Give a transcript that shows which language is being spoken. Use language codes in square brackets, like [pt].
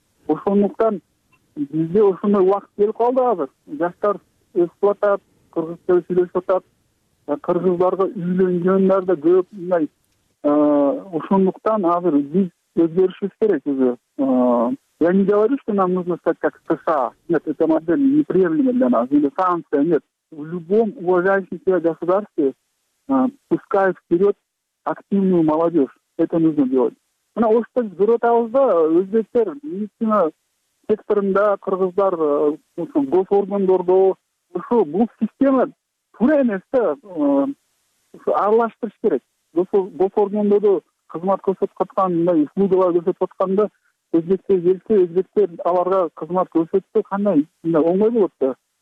[ky] Ошондуктан бизде ошондой убакыт келип калды. Азыр жаштар өсүп атат, кыргызча сүйлөшүп атат, кыргыздарга үйлөнгөндөр да көп. Мындай ошондуктан азыр биз өзгөрүшүбүз керек. [ru] Өзү я не говорю, что нам нужно стать как США, нет, эта модель неприемлема для нас, или Франция, нет. В любом уважающем себя государстве пускай вперед активную молодежь, это нужно делать. [ky] Мына Ошто көрүп атабыз да, өзбектер медицина секторунда, кыргыздар госоргондордо. Ошо бул система туура эмес да, ушу аралаштырыш керек. Госоргондордо кызмат көрсөтүп аткан, мындай услугалар көрсөтүп атканда өзбектер келсе, өзбектер аларга кызмат көрсөтсө кандай мындай оңой болот да.